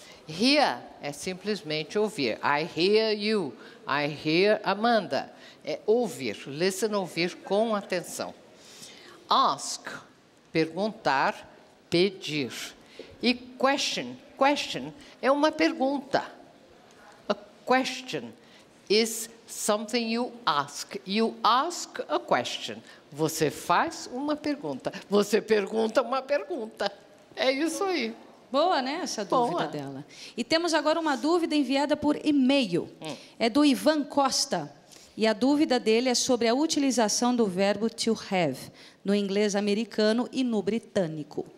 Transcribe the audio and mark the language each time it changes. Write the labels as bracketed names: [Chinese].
[English] Hear [Portuguese] é simplesmente ouvir. [English] I hear you. I hear Amanda. [Portuguese] É ouvir. Listen, ouvir com atenção. Ask. Perguntar, pedir. E question, question é uma pergunta. [English] A question is something you ask. You ask a question. [Portuguese] Você faz uma pergunta. Você pergunta uma pergunta. É isso aí. Boa, né, essa dúvida Boa. Dela. E temos agora uma dúvida enviada por e-mail. É do Ivan Costa. E a dúvida dele é sobre a utilização do verbo to have no inglês americano e no britânico.